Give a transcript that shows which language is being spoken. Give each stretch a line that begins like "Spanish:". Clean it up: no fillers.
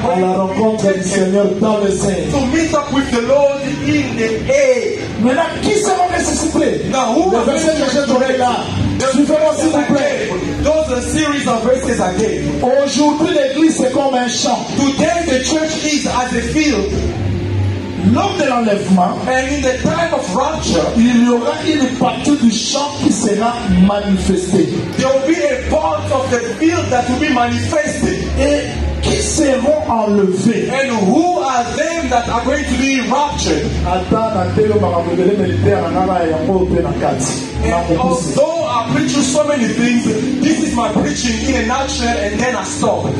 French: going à la rencontre du Seigneur dans le ciel.
English: To meet up with the Lord in the air.
French: Maintenant, qui seront les disciples?
English: Now who
French: le
English: are the disciples?
French: Suivez-moi s'il vous plaît.
English: Those are series of verses again.
French: Aujourd'hui l'église c'est comme un champ.
English: Today the church is as a field.
French: Lors de l'enlèvement,
English: and in the time of rapture,
French: il y aura une partie du champ qui sera manifestée.
English: There will be a part of the field that will be manifested.
French: Et qui seront enlevés?
English: And who are them that are going to be raptured?
French: Attends, attends, on va révéler les terres en arrière et on va ouvrir la carte.
English: Although I preach you so many things, this is my preaching in a nutshell, and then I stop.